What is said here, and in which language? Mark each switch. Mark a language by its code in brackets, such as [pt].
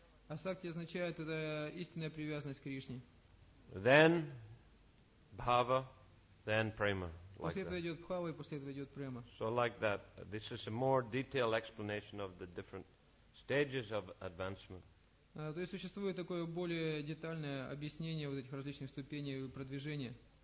[ru] Asakti означает это истинная привязанность к Кришне. [en] Then Bhava, then Prema. [ru] После этого идет Бхава и после этого идет Према. [en] So like that. This is a more detailed explanation of the different stages of advancement. [ru] То есть существует такое более детальное объяснение вот этих различных ступеней продвижения.